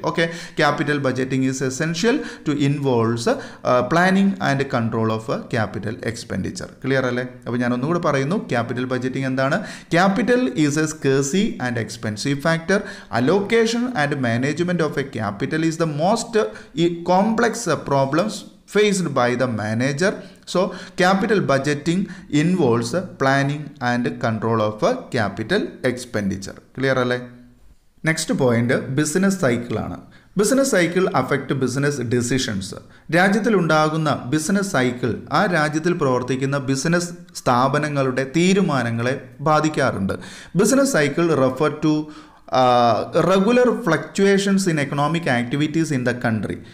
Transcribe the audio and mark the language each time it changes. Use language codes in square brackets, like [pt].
[en] Okay, capital budgeting is essential to involves planning and control of capital expenditure. [ml] Clear അല്ലേ? അപ്പോൾ ഞാൻ ഒന്നുകൂടെ പറയുന്നു, ക്യാപിറ്റൽ ബജറ്റിംഗ് എന്താണ്? [en] Capital is a scarce and expensive factor. Allocation and management of a capital is the most complex problems faced by the manager. So capital budgeting involves planning and control of capital expenditure. Clear alle? Next point, business cycle ആണ്. Business cycle affect business decisions. [ml] രാജ്യത്തിലുണ്ടാകുന്ന business cycle ആ രാജ്യത്തിൽ പ്രവർത്തിക്കുന്ന business സ്ഥാപനങ്ങളുടെ തീരുമാനങ്ങളെ ബാധിക്കാറുണ്ട്. [en] Business cycle refer to regular fluctuations in economic activities in the country.